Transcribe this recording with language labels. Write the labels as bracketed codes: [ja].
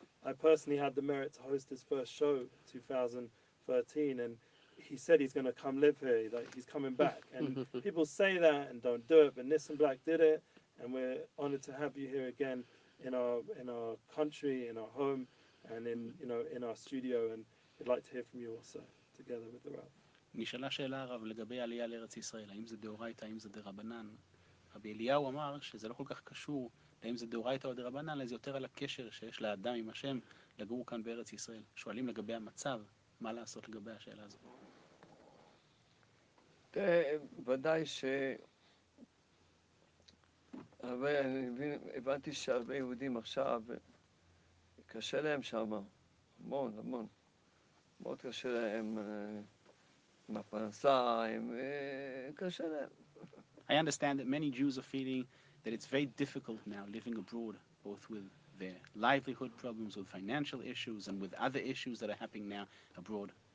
[en] I personally had the merit to host his first show in 2013, and he said he's going to come live here, like he's coming back. And people say that and don't do it, but Nissim Black did it, and we're honored to have you here again in our country, in our home, and in our studio. And we'd like to hear from you also, together with the Rav. [he] נשאלה שאלה הרב לגבי עלייה לארץ ישראל, האם זה דאורייתא, האם זה דרבנן. רבי אליהו אמר שזה לא כל כך קשור לאם זה דאורייתא או דרבנן, אלא זה יותר על הקשר שיש לאדם עם השם לגור כאן בארץ ישראל. שואלים לגבי המצב, מה לעשות לגבי השאלה הזו? ודאי ש... הרבה, הבנתי שהרבה יהודים עכשיו, קשה להם שם, המון, המון. מאוד קשה להם... [en] I understand that many Jews are feeling that it's very difficult now living abroad, both with their livelihood problems, with financial issues, and with other issues that are happening now abroad.